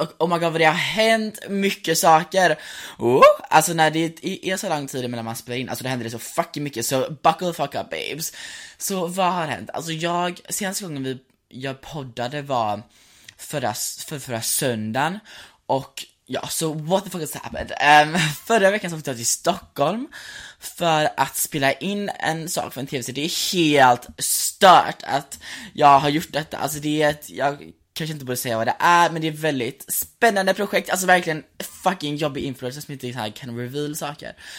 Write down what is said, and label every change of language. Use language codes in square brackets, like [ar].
[sv] Och [en] oh my god, [sv] vad det har hänt. Mycket saker. Alltså när det är så lång tid mellan man spelar in, alltså det händer det så fucking mycket. Så [en] buckle the fuck up babes. [sv] Så vad har hänt? Alltså jag, senaste gången jag poddade var förra söndagen. Och ja, så [en] what the fuck has happened. [sv] Förra veckan så fick jag till Stockholm för att spela in en sak för en tv-serie. Det är helt stört att jag har gjort detta. Alltså det är ett, jag kanske inte borde säga vad det är, men det är ett väldigt spännande projekt. Alltså verkligen fucking jobbig influencer som inte så här kan reveal saker.